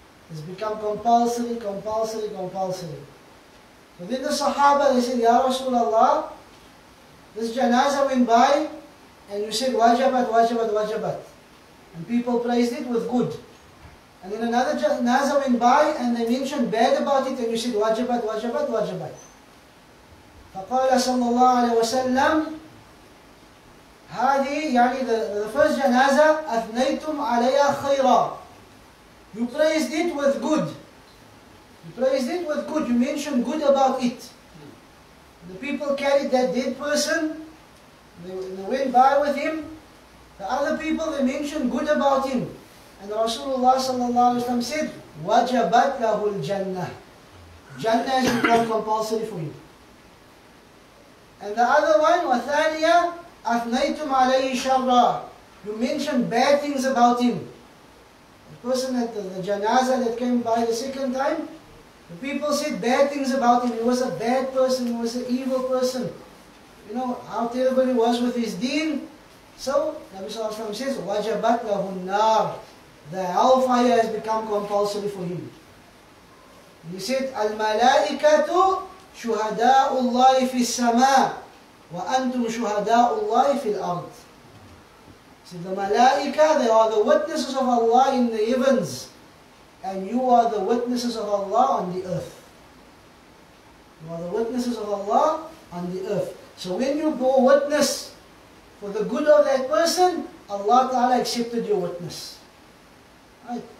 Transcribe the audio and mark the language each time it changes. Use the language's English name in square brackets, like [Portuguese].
[English] It's become compulsory, compulsory, compulsory. So then the Sahaba, they said, Ya Rasulullah, this janazah went by, and you said, wajabat, wajabat, wajabat. And people praised it with good. And then another janazah went by, and they mentioned bad about it, and you said, wajabat, wajabat, wajabat. [Arabic] فَقَالَ صَلَّى اللَّهُ عَلَيْهِ وَسَلَّمْ هَذِي, يعني [English] the first janazah, [Arabic] أَثْنَيْتُمْ عَلَيَا خَيْرًا. [English] You praised it with good. You praised it with good. You mentioned good about it. The people carried that dead person. They went by with him. The other people, they mentioned good about him. And Rasulullah sallallahu alayhi wa sallam said, [Arabic] وَجَبَتْ لَهُ الْجَنَّةِ. [English] Jannah has become compulsory for him. And the other one, [Arabic] وَثَانِيَا أَثْنَيْتُمْ عَلَيْهِ شَرَّا. [English] You mentioned bad things about him. Person at the janazah that came by the second time, the people said bad things about him. He was a bad person, he was an evil person. You know how terrible he was with his deen. So, Nabi Sallallahu Alaihi Wasallam says, [Arabic] وَجَبَتْ لَهُ النَّارِ. [English] The hellfire has become compulsory for him. And he said, [Arabic] الْمَلَائِكَةُ شُهَدَاءُ اللَّهِ فِي السَّمَاءِ وَأَنْتُمْ شُهَدَاءُ اللَّهِ فِي الْأَرْضِ. [English] See, the malaika, they are the witnesses of Allah in the heavens. And you are the witnesses of Allah on the earth. You are the witnesses of Allah on the earth. So when you bore witness for the good of that person, Allah Ta'ala accepted your witness. Right?